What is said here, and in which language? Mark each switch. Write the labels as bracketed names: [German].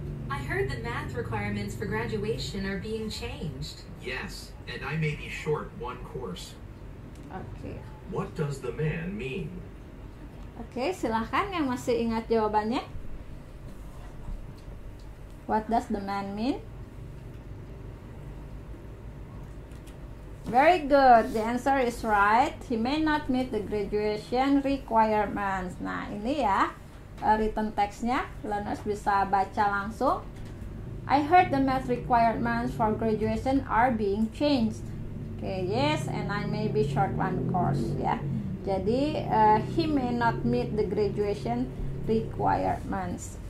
[English] I heard that math requirements for graduation are being changed. Yes, and I may be short one course. Okay. What does the man mean? [Indonesian] Okay, silakan yang masih ingat jawabannya. [English] What does the man mean? Very good. The answer is right. He may not meet the graduation requirements. [Indonesian] Nah, ini ya written text-nya. Learners bisa baca langsung. [English] I heard the math requirements for graduation are being changed. Okay, yes, and I may be short one course. Yeah. Jadi, he may not meet the graduation requirements.